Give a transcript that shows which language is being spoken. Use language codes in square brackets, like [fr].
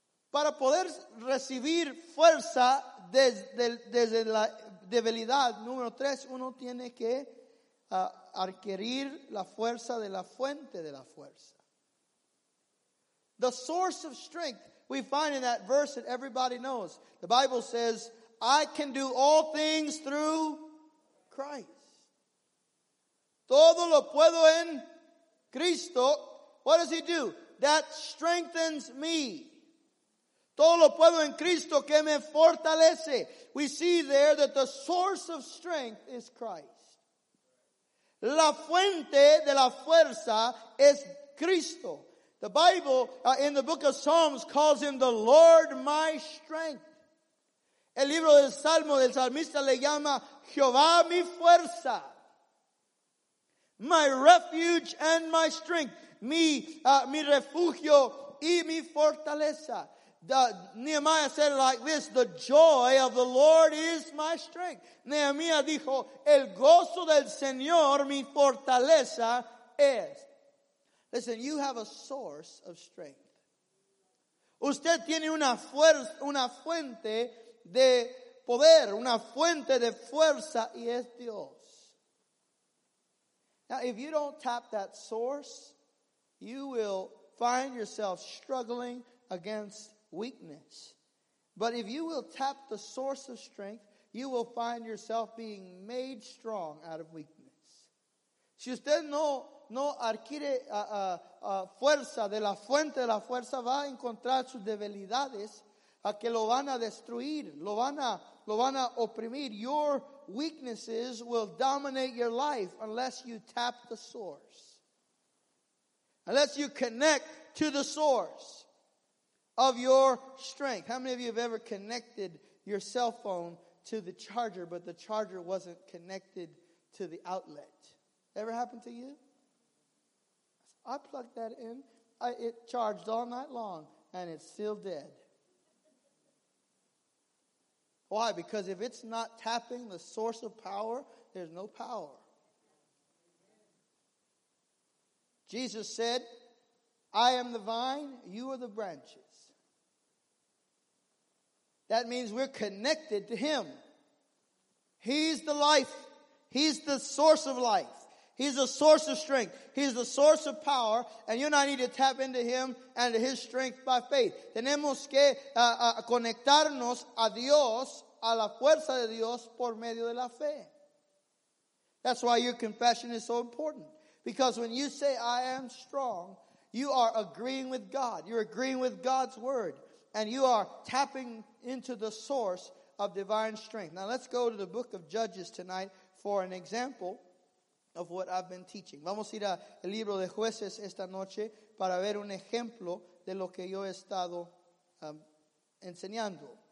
[es] Para poder recibir fuerza desde la debilidad, número tres, uno tiene que adquirir la fuerza de la fuente de la fuerza. [en] The source of strength we find in that verse that everybody knows. The Bible says, I can do all things through Christ. [es] Todo lo puedo en Cristo. [en] What does he do? That strengthens me. [es] Todo lo puedo en Cristo que me fortalece. [en] We see there that the source of strength is Christ. [es] La fuente de la fuerza es Cristo. [en] The Bible, in the book of Psalms, calls him the Lord my strength. [es] El libro del Salmo, del salmista, le llama Jehová mi fuerza. [en] My refuge and my strength. [es] Mi refugio y mi fortaleza. [en] Nehemiah said it like this, the joy of the Lord is my strength. [es] Nehemiah dijo, el gozo del Señor mi fortaleza es. [en] Listen, you have a source of strength. [es] Usted tiene una fuerza, una fuente de poder, una fuente de fuerza, y es Dios. [en] Now, if you don't tap that source, you will find yourself struggling against weakness. But if you will tap the source of strength, you will find yourself being made strong out of weakness. [es] Si usted no adquiere fuerza de la fuente de la fuerza, va a encontrar sus debilidades a que lo van a destruir, lo van a oprimir. [en] Your weaknesses will dominate your life unless you tap the source. Unless you connect to the source of your strength. How many of you have ever connected your cell phone to the charger, but the charger wasn't connected to the outlet? Ever happened to you? I plugged that in. It charged all night long, and it's still dead. Why? Because if it's not tapping the source of power, there's no power. Jesus said, I am the vine, you are the branches. That means we're connected to Him. He's the life. He's the source of life. He's the source of strength. He's the source of power. And you and I need to tap into Him and His strength by faith. [es] Tenemos que conectarnos a Dios, a la fuerza de Dios, por medio de la fe. [en] That's why your confession is so important. Because when you say, I am strong, you are agreeing with God. You're agreeing with God's word. And you are tapping into the source of divine strength. Now let's go to the book of Judges tonight for an example of what I've been teaching. [es] Vamos a ir al libro de Jueces esta noche para ver un ejemplo de lo que yo he estado enseñando.